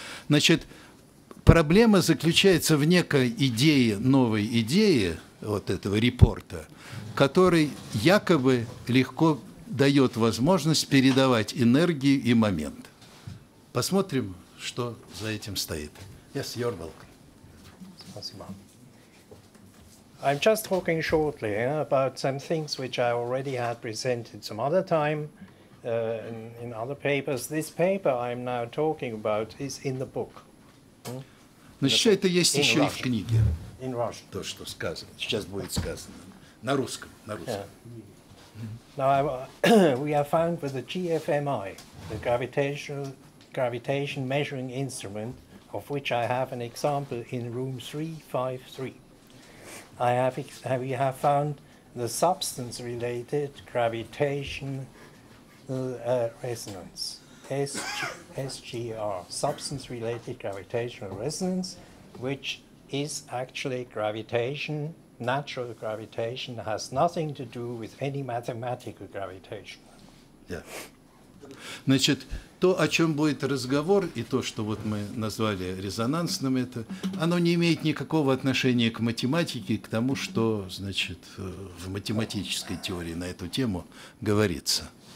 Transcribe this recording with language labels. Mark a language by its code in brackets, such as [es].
[ru] Значит, проблема заключается в некой идее, новой идее вот этого репорта, который якобы легко дает возможность передавать энергию и момент. Посмотрим, что за этим стоит. [en] Yes, you're welcome. [ru] Спасибо. [en] I'm just talking shortly about some things which I already had presented some other time in other papers. This paper I'm now talking about is in the book. [ru] Значит, все это есть еще и в книге. [en] In Russian. [ru] То, что сказано. Сейчас будет сказано. На русском. На русском. Yeah. Mm-hmm. [en] Now, we are found with the GFMI, the gravitation measuring instrument, of which I have an example in room 353. We have found the substance-related gravitation resonance, SGR, substance-related gravitational resonance, which is actually gravitation, natural gravitation, has nothing to do with any mathematical gravitation. Yeah. [ru] Значит, то, о чем будет разговор, и то, что вот мы назвали резонансным, это, оно не имеет никакого отношения к математике, к тому, что, значит, в математической теории на эту тему говорится.